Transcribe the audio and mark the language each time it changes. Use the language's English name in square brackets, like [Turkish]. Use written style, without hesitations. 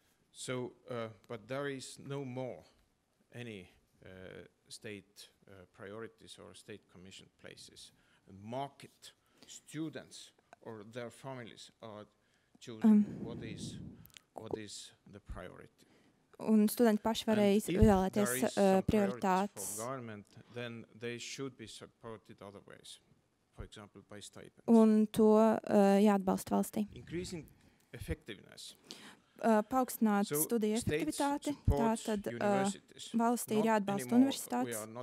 [English] So but there is no more any state priorities or state commissioned places. Market students or their families are choosing what is the priority. [Latvian] Un studenti paši varēja izvēlēties prioritātes. [English] For government, then they should be supported other ways. For example, by stipends. [Latvian] Un to jāatbalsta valstī. [English] Increasing effectiveness. [Latvian] Paaugstināt studiju efektivitāti, tā tad valstī ir jāatbalsta universitātes.